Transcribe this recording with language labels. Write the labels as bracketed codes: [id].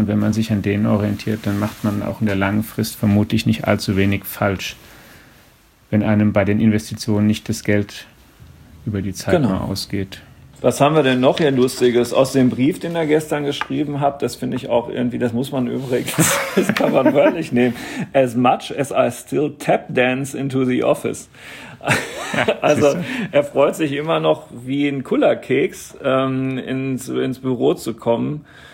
[de] Und wenn man sich an denen orientiert, dann macht man auch in der langen Frist vermutlich nicht allzu wenig falsch, wenn einem bei den Investitionen nicht das Geld über die Zeit mal ausgeht. Was haben wir denn noch hier Lustiges aus dem Brief, den er gestern geschrieben hat? Das finde ich auch irgendwie, das muss man übrigens, das kann man wörtlich nehmen. [en] As much as I still tap dance into the office. [de] Also er freut sich immer noch wie ein Kullerkeks ins Büro zu kommen.